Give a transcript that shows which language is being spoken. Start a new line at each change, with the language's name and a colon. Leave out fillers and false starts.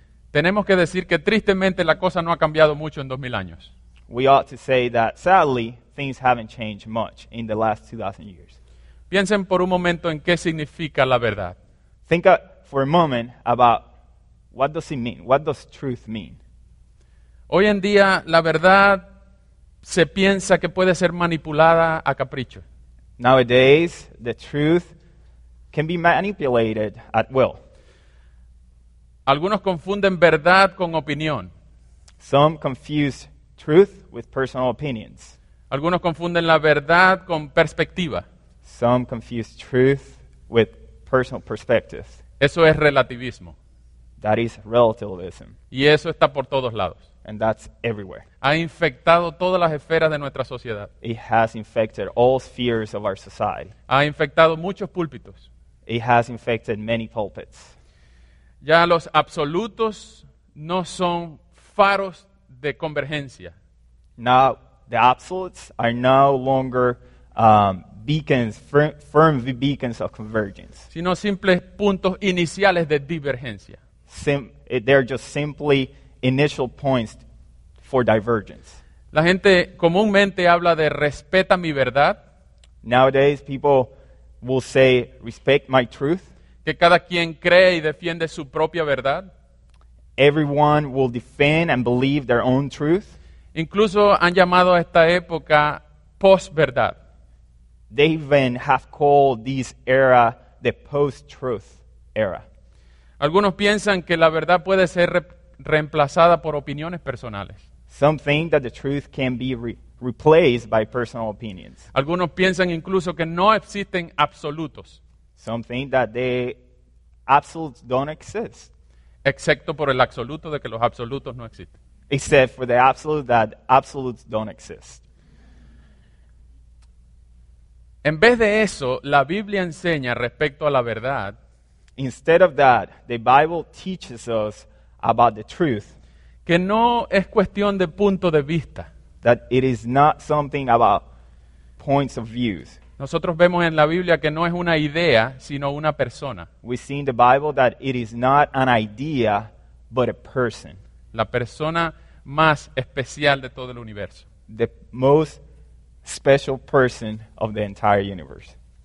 Spanish: tenemos que decir que tristemente la cosa no ha cambiado mucho en 2000 años.
English: We ought to say that sadly things haven't changed much in the last 2000 years.
Spanish: Piensen por un momento en qué significa la verdad.
English: Think for a moment about what does it mean? What does truth mean?
Spanish: Hoy en día la verdad se piensa que puede ser manipulada a capricho.
English: Nowadays, the truth can be manipulated at will.
Spanish: Algunos confunden verdad con opinión.
English: Some confuse truth with personal opinions.
Spanish: Algunos confunden la verdad con perspectiva.
English: Some confuse truth with personal perspective.
Spanish: Eso es relativismo.
English: That is relativism.
Spanish: Y eso está por todos lados.
English: And that's everywhere.
Spanish: Ha infectado todas las esferas de nuestra sociedad.
English: It has infected all spheres of our society.
Spanish: Ha infectado muchos púlpitos.
English: It has infected many pulpits.
Spanish: Ya los absolutos no son faros de convergencia.
English: Now the absolutes are no longer beacons, firm beacons of convergence.
Spanish: Sino simples puntos iniciales de divergencia.
English: They're just simply initial points for divergence.
Spanish: La gente comúnmente habla de respeta mi verdad.
English: Nowadays, people will say respect my truth.
Spanish: Que cada quien cree y defiende su propia verdad.
English: Everyone will defend and believe their own truth.
Spanish: Incluso han llamado a esta época post-verdad.
English: They even have called this era the post-truth era.
Spanish: Algunos piensan que la verdad puede ser reemplazada por opiniones personales.
English: Some think that the truth can be replaced by personal opinions.
Spanish: Algunos piensan incluso que no existen absolutos.
English: Some think that the absolutes don't exist.
Spanish: Excepto por el absoluto de que los absolutos no existen.
English: Except for the absolute that absolutes don't exist.
Spanish: En vez de eso, la Biblia enseña respecto a la verdad.
English: Instead of that, the Bible teaches us about the truth,
Spanish: que no es cuestión de punto de vista,
English: that it is not something about points of views.
Spanish: Nosotros vemos en la Biblia que no es una idea, sino una persona.
English: We see in the Bible that it is not an idea, but a person.
Spanish: La persona más especial de todo el universo.
English: The most special person of the entire universe.